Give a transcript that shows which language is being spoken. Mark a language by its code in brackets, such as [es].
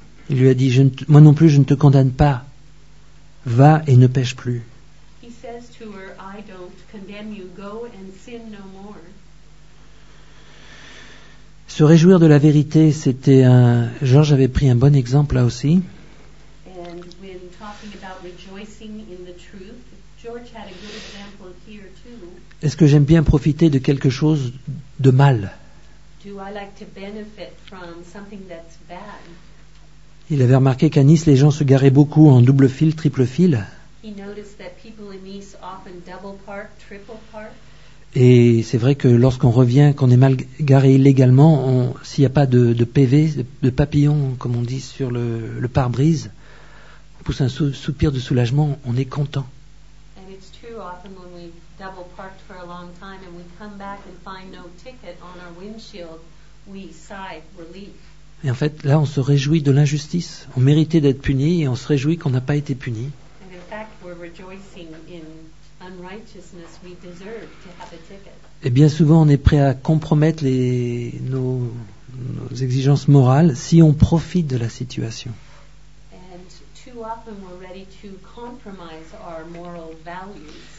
[fr] Il lui a dit, moi non plus, je ne te condamne pas. Va et ne pêche plus. [en] He says to her, I don't condemn you. Go and sin no more. [fr] Se réjouir de la vérité, c'était un... Georges avait pris un bon exemple là aussi. [en] And when talking about rejoicing in the truth, George had a good example here too. [fr] Est-ce que j'aime bien profiter de quelque chose de mal? [en] Do I like to benefit from something that's bad? [fr] Il avait remarqué qu'à Nice, les gens se garaient beaucoup en double fil, triple fil. [en] He noticed that people in Nice often double park, triple park. [fr] Et c'est vrai que lorsqu'on revient, qu'on est mal garé illégalement, s'il n'y a pas de PV, de papillon, comme on dit, sur le pare-brise, on pousse un soupir de soulagement, on est content. [en] And it's true often when we double parked for a long time and we come back and find no ticket on our windshield, we sigh relief. [fr] Et en fait, là, on se réjouit de l'injustice. On méritait d'être puni et on se réjouit qu'on n'a pas été puni. [en] And in fact, we're rejoicing in unrighteousness. We deserve to have a ticket. [fr] Et bien souvent, on est prêt à compromettre nos exigences morales si on profite de la situation. [en] And too often, we're ready to compromise our moral values.